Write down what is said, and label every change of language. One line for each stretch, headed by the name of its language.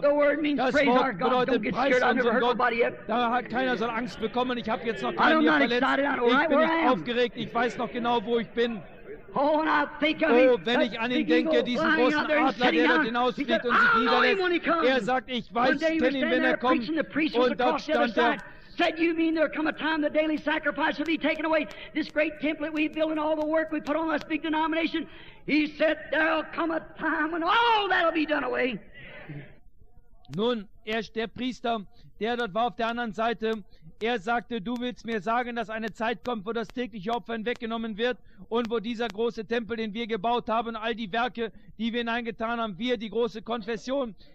German: Das Wort bedeutet Preis unserem Gott. Da hat keiner so Angst bekommen. Ich habe jetzt noch keinen hier verletzt. Ich bin nicht aufgeregt. Ich weiß noch genau, wo ich bin. Oh, wenn ich an ihn denke, diesen großen Adler, der dort hinausfliegt und sich niederlässt. Er sagt, ich weiß, ich kenne ihn, wenn er kommt. Und dort stand er.
English: Said you mean there come a time the daily sacrifice will be taken away? This great temple we built and all the work we put on this big denomination. He said there'll come a time when all that'll be done away.
German: Nun, er ist der Priester, der dort war auf der anderen Seite. Er sagte, du willst mir sagen, dass eine Zeit kommt, wo das tägliche Opfer hinweggenommen wird und wo dieser große Tempel, den wir gebaut haben, all die Werke, die wir hineingetan haben, wir, die große Konfession.